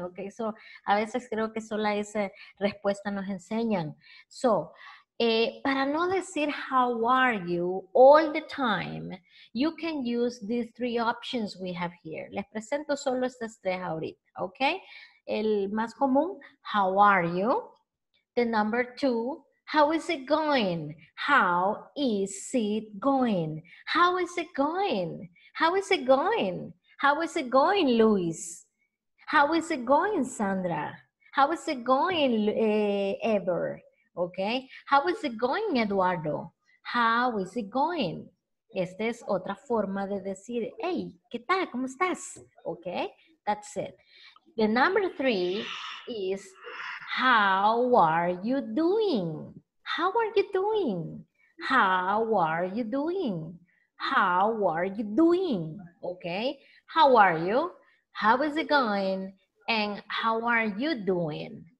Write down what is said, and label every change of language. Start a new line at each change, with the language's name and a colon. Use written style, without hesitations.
Spanish: Okay, so a veces creo que solo esa respuesta nos enseñan.
English: So,
Spanish: para no decir
English: how are you all the time, you can use these three options we have here.
Spanish: Les presento solo estas tres ahorita, okay? El más común,
English: how are you? The number two, how is it going? How is it going? How is it going? How is it going? How is it going, Luis? How is it going, Sandra? How is it going, Ever? Okay. How is it going, Eduardo? How is it going?
Spanish: Esta es otra forma de decir, hey, ¿qué tal? ¿Cómo estás?
English: Okay. That's it. The number three is, how are you doing? How are you doing? How are you doing? How are you doing? Okay. How are you? How is it going? And how are you doing?